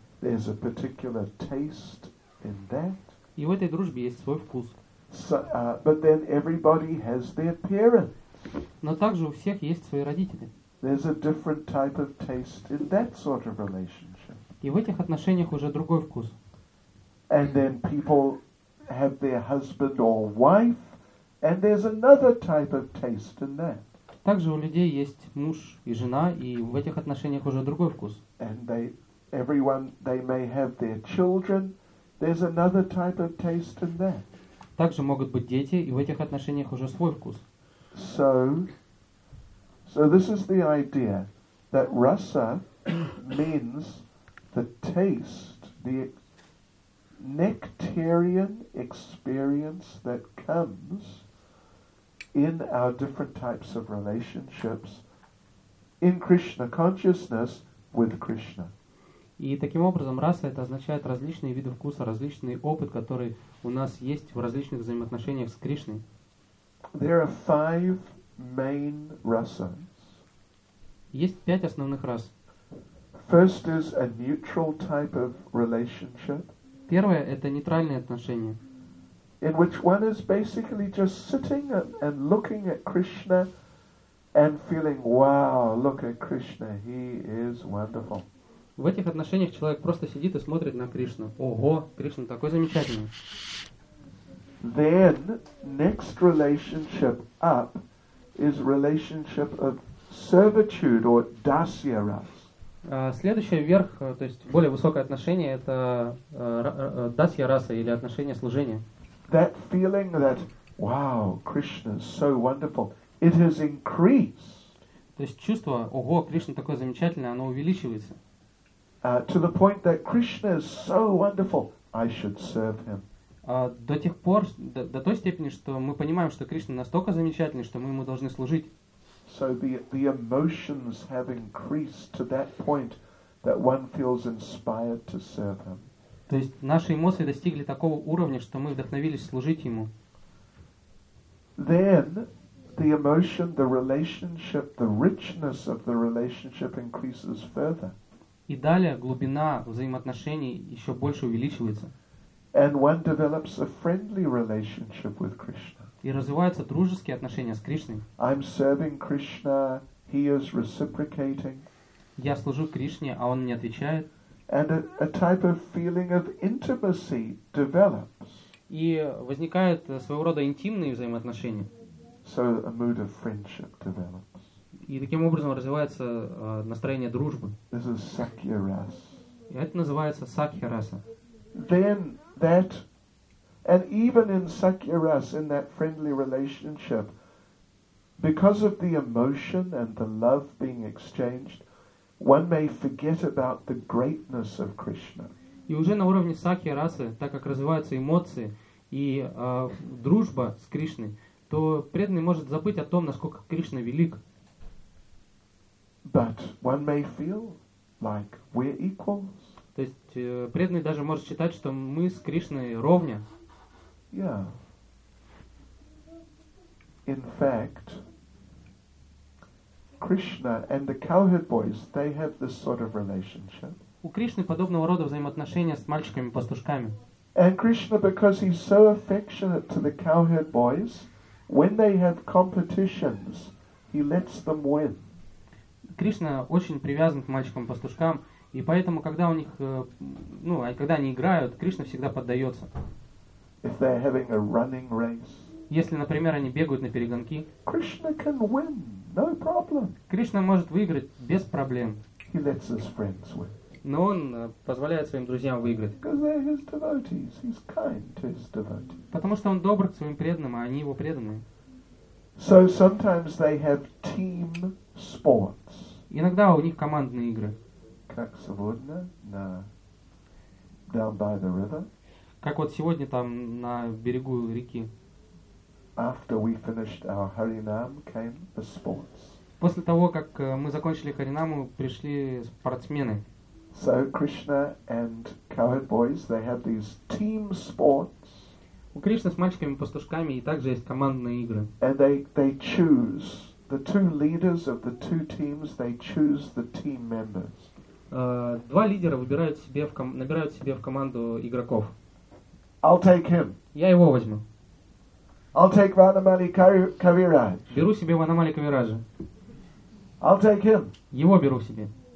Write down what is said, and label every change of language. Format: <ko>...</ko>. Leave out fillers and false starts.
<en>There's a particular taste in that.</en> <ru>И в этой дружбе есть свой вкус.</ru> <en>So, but then everybody has their parents.</en> <ru>Но также у всех есть свои родители.</ru> <en>There's a different type of taste in that sort of relationship.</en> <ru>И в этих отношениях уже другой вкус.</ru> <en>And then people have their husband or wife, and there's another type of taste in that.</en> <ru>Также у людей есть муж и жена, и в этих отношениях уже другой вкус.</ru> <en>And they may have their children. There's another type of taste in that.</en> <ru>Также могут быть дети, и в этих отношениях уже свой вкус.</ru> <en>So this is the idea that rasa means the taste, the nectarian experience that comes in our different types of relationships in Krishna consciousness with Krishna.</en> <ru>И таким образом раса это означает различные виды вкуса, различный опыт, который у нас есть в различных взаимоотношениях с Кришной.</ru> <en>There are five main rasas.</en> <ru>Есть пять основных рас.</ru> <en>First is a neutral type of relationship.</en> <ru>Первое — это нейтральные отношения.</ru> <en>In which one is basically just sitting and looking at Krishna and feeling, wow, look at Krishna, he is wonderful.</en> <ru>В этих отношениях человек просто сидит и смотрит на Кришну. Ого, Кришна такой замечательный.</ru> <en>Then, next relationship up is relationship of servitude or dasya ras.</en> <ru>Следующее вверх, то есть более высокое отношение, это дасья раса или отношение служения.</ru> <en>That feeling that, wow, Krishna is so wonderful, it has increased.</en> <ru>То есть чувство, ого, Кришна такой замечательный, оно увеличивается.</ru> <en>To the point that Krishna is so wonderful, I should serve him.</en> <ru>До тех пор, до той степени, что мы понимаем, что Кришна настолько замечательный, что мы ему должны служить.</ru> <en>So the emotions have increased to that point that one feels inspired to serve him.</en> <ru>То есть наши эмоции достигли такого уровня, что мы вдохновились служить ему.</ru> <en>Then the emotion, the relationship, the richness of the relationship increases further.</en> <ru>И далее глубина взаимоотношений еще больше увеличивается.</ru> <en>And one develops a friendly relationship with Krishna.</en> <ru>И развиваются дружеские отношения с Кришной.</ru> <en>I'm serving Krishna, he is reciprocating.</en> <ru>Я служу Кришне, а он мне отвечает.</ru> <en>And a type of feeling of intimacy develops.</en> <ru>И возникает своего рода интимные взаимоотношения.</ru> <en>So a mood of friendship develops.</en> <ru>И таким образом развивается настроение дружбы.</ru> <en>This is Sakya Ras.</en> <ru>И это называется Сакья Раса.</ru> <en>Then that. And even in Sakya Ras, in that friendly relationship, because of the emotion and the love being exchanged, one may forget about the greatness of Krishna.</en> <ru>И уже на уровне Сакья Расы, так как развиваются эмоции и дружба с Кришной, то преданный может забыть о том, насколько Кришна велик.</ru> <en>But one may feel like we're equals.</en> <ru>То есть преданный даже может считать, что мы с Кришной ровня.</ru> <en>Yeah. In fact, Krishna and the cowherd boys, they have this sort of relationship.</en> <ru>У Кришны подобного рода взаимоотношения с мальчиками-пастушками.</ru> <en>And Krishna, because he's so affectionate to the cowherd boys, when they have competitions, he lets them win.</en> <ru>Кришна очень привязан к мальчикам-пастушкам, и поэтому, когда у них, ну, когда они играют, Кришна всегда поддается.</ru> <en>If they're having a running race,</en> <ru>если, например, они бегают на перегонки,</ru> <en>Krishna can win, no problem.</en> <ru>Кришна может выиграть без проблем.</ru> <en>He lets his friends win.</en> <ru>Но он позволяет своим друзьям выиграть.</ru> <en>Because they're his devotees. He's kind to his devotees.</en> <ru>Потому что он добр к своим преданным, а они его преданные.</ru> <en>So sometimes they have team sports.</en> <ru>Иногда у них командные игры. Как сегодня на</ru> <en>down by the river.</en> <ru>Как вот сегодня там на берегу реки.</ru> <en>After we finished our Harinam came the sports.</en> <ru>После того, как мы закончили Харинаму, пришли спортсмены.</ru> <en>So Krishna and cowherd boys, they have these team sports.</en> <ru>У Кришны с мальчиками-пастушками и также есть командные игры.</ru> <en>And they choose the two leaders of the two teams, they choose the team members.</en> <ru>Два лидера выбирают себе в набирают себе в команду игроков.</ru> <en>I'll take him.</en> <ru>Я его возьму.</ru> <en>I'll take Vanamali Kaviraj.</en> <ru>Беру себе Ванамали Кавираджа.</ru> <en>I'll take him.</en> <ru>Его беру себе.</ru>